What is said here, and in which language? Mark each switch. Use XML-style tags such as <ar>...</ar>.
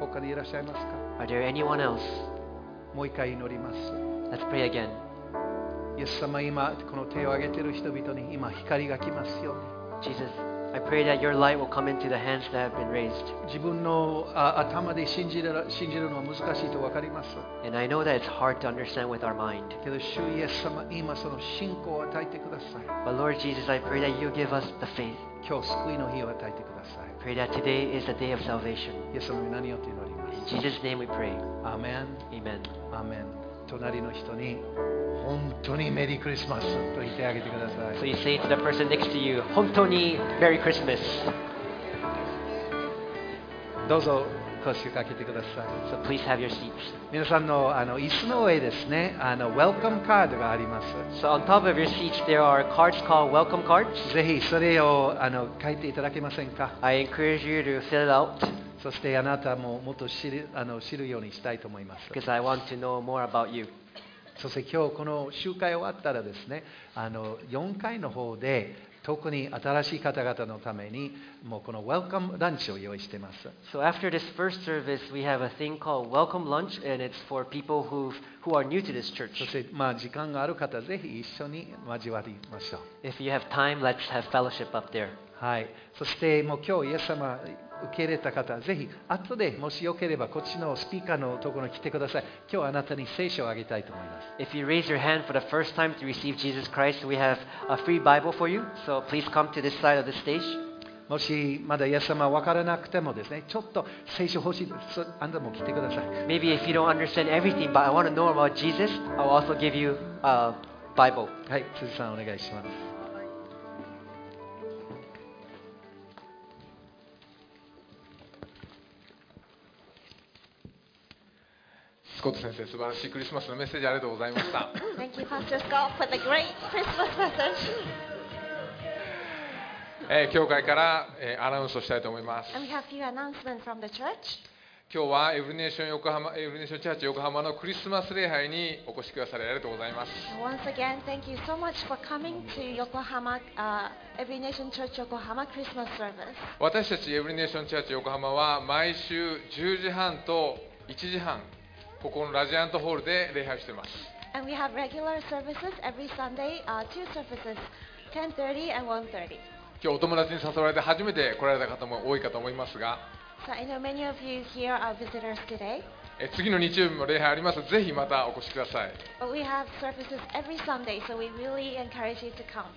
<ja>他にいらっしゃいますか?</ja> <en>Are there anyone else?</en> <ja>もう一回祈ります。</ja> <en>Let's pray again.</en> <ja>イエス様、今この手を挙げている人々に今光が来ますように。</ja> <en>Jesus. I pray that your light will come into the hands that have been raised.</en> <ja>自分の頭で信じるのは難しいと分かります。</ja> <en>And I know that it's hard to understand with our mind.</en> <ja>けど主イエス様、今その信仰を与えてください。</ja> <en>But Lord Jesus, I pray that you give us the faith.</en> <ja>今日救いの日を与えてください。</ja> <en>Pray that today is the day of salvation.</en> <ja>イエス様、何よって祈ります。</ja> <en>In Jesus' name we pray. Amen. Amen. Amen.</en> <ja>隣の人に本当にメリークリスマスと言ってあげてください。</ja> <en>So you say to the person next to you,</en> <ja>本当にメリークリスマス。どうぞ腰掛けてください。</ja> <en>So please have your seats.</en> <ja>皆さんの椅子の上ですね、Welcome Card があります。</ja> <en>So on top of your seats, there are cards called Welcome Cards.</en> <ja>ぜひそれを書いていただけませんか。</ja> <en>I encourage you to fill it out.</en> <ja>そしてあなたももっと知るようにしたいと思います。</ja> <en>Because I want to know more about you.</en> <ja>そして今日この集会終わったらですね、4階の方で特に新しい方々のためにもうこのウェルカムランチを用意しています。</ja> <en>So after this first service, we have a thing called welcome lunch, and it's for people who are new to this church.</en> <ja>そして、まあ、時間がある方ぜひ一緒に交わりましょう。</ja> <en>If you have time, let's have fellowship up there.</en> <ja>はい。そしてもう今日イエス様受け入れた方はぜひ後でもしよければこっちのスピーカーのところに来てください。今日あなたに聖書をあげたいと思います。</ja> <en>If you raise your hand for the first time to receive Jesus Christ, we have a free Bible for you. So please come to this side of the stage.</en> <ja>もしまだイエス様わからなくてもですね、ちょっと聖書欲しい、あなたも来てください。</ja> <en>Maybe if you don't understand everything, but I want to know about Jesus, I'll also give you a Bible.</en> <ja>はい、辻さんお願いします。スコット先生、素晴らしいクリスマスのメッセージありがとうございました。</ja> <en>Thank you, Pastor Scott, for the great Christmas message.</en> <ja>教会からアナウンスをしたいと思います。</ja> <en>And we have a few announcements from the church.</en> <ja>今日はエブリネーション横浜、エブリネーションチャーチ横浜のクリスマス礼拝にお越しくださりありがとうございます。</ja> <en>Once again, thank you so much for coming to Yokohama, Evernation Church Yokohama Christmas service.</en> <ja>私たちエブリネーションチャーチ横浜は毎週10時半と1時半ここのラジアントホールで礼拝しています。</ja> <en>And we have regular services every Sunday, two services, 10:30 and 1:30.</en> <ja>今日お友達に誘われて初めて来られた方も多いかと思いますが、</ja> <en>So I know many of you here are visitors today.</en> <ja>次の日曜日も礼拝あります。ぜひまたお越しください。</ja> <en>We have services every Sunday, so we really encourage you to come.</en>